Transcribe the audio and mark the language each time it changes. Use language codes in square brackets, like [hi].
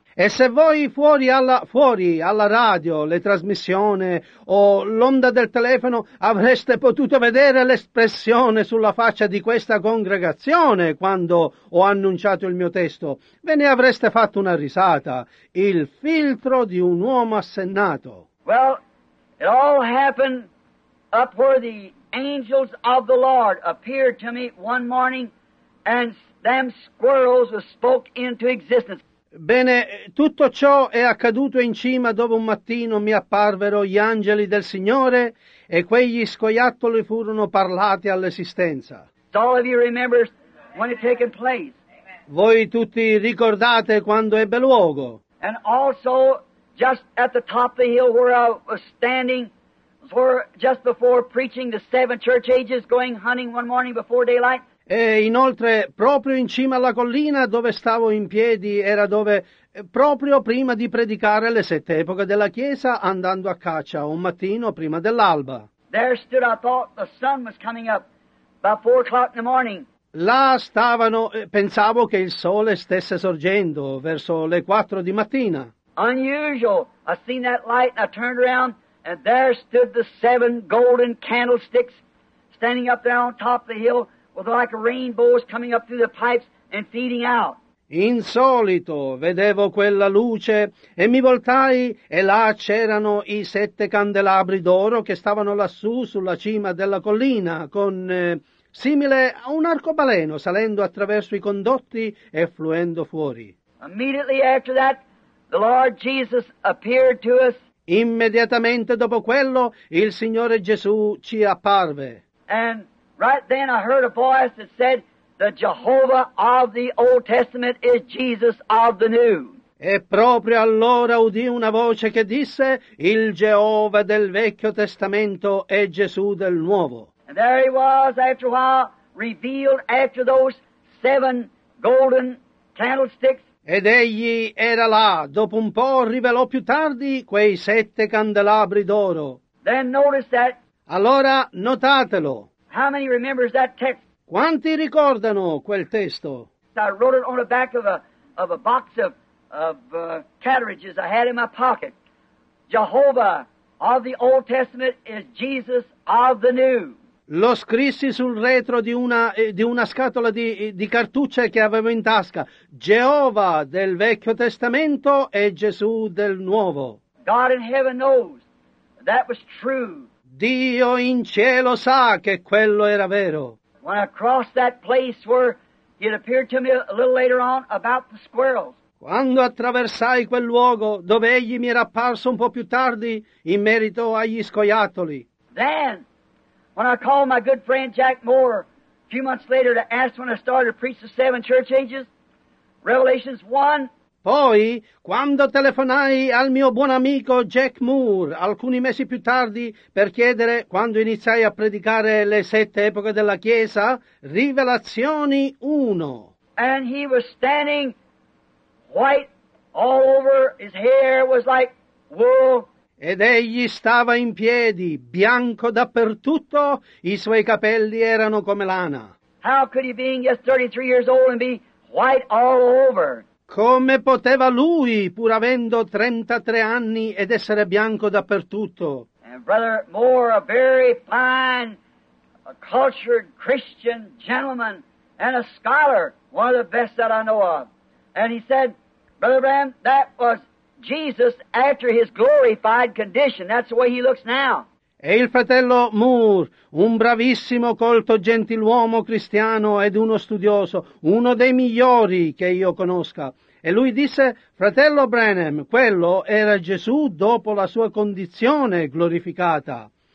[it] E se voi fuori alla radio, le trasmissioni o l'onda del telefono avreste potuto vedere l'espressione sulla faccia di questa congregazione quando ho annunciato il mio testo, ve ne avreste fatto una risata, il filtro di un uomo assennato. [en] Well, it all happened up where the angels of the Lord appeared to me one morning and them squirrels spoke into existence. [it] Bene, tutto ciò è accaduto in cima dove un mattino mi apparvero gli angeli del Signore e quegli scoiattoli furono parlati all'esistenza. [en] All of you remember when it taken place. [it] Voi tutti ricordate quando ebbe luogo. [en] And also just at the top of the hill where I was standing for just before preaching the seven church ages going hunting one morning before daylight. [it] E inoltre, proprio in cima alla collina dove stavo in piedi, era dove, proprio prima di predicare le sette epoche della Chiesa, andando a caccia un mattino prima dell'alba. [en] There stood, I thought, the sun was coming up about 4 o'clock in the morning. [it] Là stavano, pensavo che il sole stesse sorgendo verso le 4 di mattina. [en] Unusual. I seen that light and I turned around and there stood the seven golden candlesticks standing up there on top of the hill. With like rainbows coming up through the pipes and feeding out. [it] Insolito, vedevo quella luce e mi voltai e là c'erano i sette candelabri d'oro che stavano lassù sulla cima della collina con simile a un arcobaleno salendo attraverso i condotti e fluendo fuori. [en] Immediately after that, the Lord Jesus appeared to us. [it] Immediatamente dopo quello, il Signore Gesù ci apparve. [en] And right then I heard a voice that said, the Jehovah of the Old Testament is Jesus of the New. [it] E proprio allora udì una voce che disse, il Geova del Vecchio Testamento è Gesù del Nuovo. [en] And there he was after a while, revealed after those seven golden candlesticks. [it] Ed egli era là, dopo un po' rivelò più tardi quei sette candelabri d'oro. [en] Then notice that. [it] Allora notatelo. [en] How many remembers that text? [it] Quanti ricordano quel testo? [en] I wrote it on the back of a box of cartridges I had in my pocket. Jehovah of the Old Testament is Jesus of the New. [it] Lo scrissi sul retro di una scatola di cartucce che avevo in tasca. Geova del Vecchio Testamento è Gesù del Nuovo. [en] God in heaven knows that was true. [it] Dio in cielo sa che quello era vero. [en] When I crossed that place where it appeared to me a little later on about the squirrels. [it] Quando attraversai quel luogo dove egli mi era apparso un po' più tardi in merito agli scoiattoli. [en] Then, when I called my good friend Jack Moore a few months later to ask when I started to preach the seven church ages, Revelations 1. [it] Poi, quando telefonai al mio buon amico Jack Moore alcuni mesi più tardi per chiedere quando iniziai a predicare le sette epoche della Chiesa, Rivelazioni 1. [en] And he was standing white all over, his hair was like wool. [it] Ed egli stava in piedi, bianco dappertutto, i suoi capelli erano come lana. [en] How could he be just 33 years old and be white all over? [it] Come poteva lui, pur avendo 33 anni, ed essere bianco dappertutto? [en] And Brother Moore, a very fine, a cultured Christian gentleman, and a scholar, one of the best that I know of. And he said, Brother Bram, that was Jesus after his glorified condition. That's the way he looks now. [it] E il fratello Moore, un bravissimo colto gentiluomo cristiano ed uno studioso, uno dei migliori che io conosca. E lui disse, fratello Branham, quello era Gesù dopo la sua condizione glorificata.